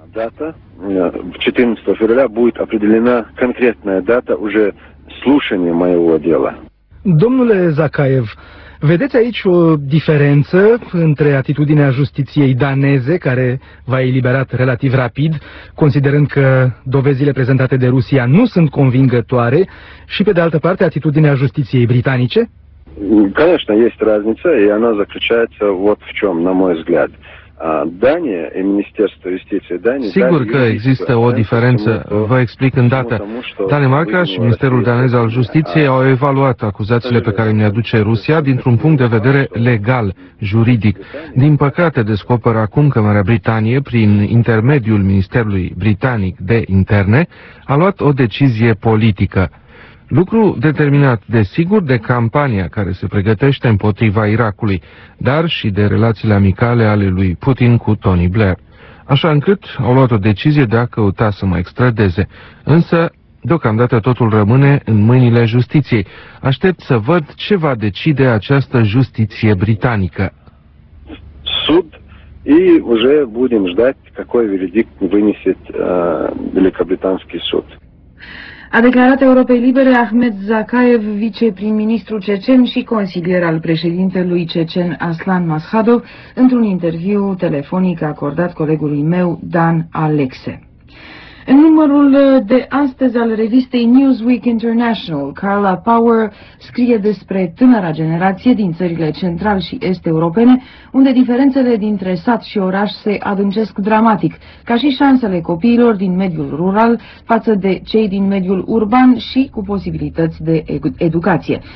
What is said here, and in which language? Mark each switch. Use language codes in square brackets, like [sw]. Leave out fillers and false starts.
[ro] Data, 14 februarie, va fi [ru] определена конкретная дата уже слушания моего дела. [ro] Domnule Zakaev, vedeți aici o diferență între atitudinea justiției daneze, care v-a eliberat relativ rapid, considerând că dovezile prezentate de Rusia nu sunt convingătoare, și pe de altă parte atitudinea justiției britanice? [ru] Конечно, есть разница, и она заключается вот в чем, на мой взгляд. Дания и Министерство юстиции Дании... [ro] Sigur că există o diferență, vă explic îndată. Danemarca și Ministerul Danez al Justiției au evaluat acuzațiile pe care le aduce Rusia dintr-un punct de vedere legal, juridic. Din păcate, descoperă acum că Marea Britanie, prin intermediul Ministerului Britanic de Interne, a luat o decizie politică. Lucru determinat, desigur, de campania care se pregătește împotriva Irakului, dar și de relațiile amicale ale lui Putin cu Tony Blair. Așa încât au luat o decizie de a căuta să mă extradeze. Însă, deocamdată totul rămâne în mâinile justiției. Aștept să văd ce va decide această justiție britanică. Sud și [ru] уже будем ждать, какой веридикт вынесет Великобританский суд. [ro] A declarat Europei Libere Ahmed Zakaev, viceprim-ministru cecen și consilier al președintelui cecen Aslan Maschadov, într-un interviu telefonic acordat colegului meu Dan Alexe. În numărul de astăzi al revistei Newsweek International, Carla Power scrie despre tânăra generație din țările central și est europene, unde diferențele dintre sat și oraș se adâncesc dramatic, ca și șansele copiilor din mediul rural față de cei din mediul urban și cu posibilități de educație.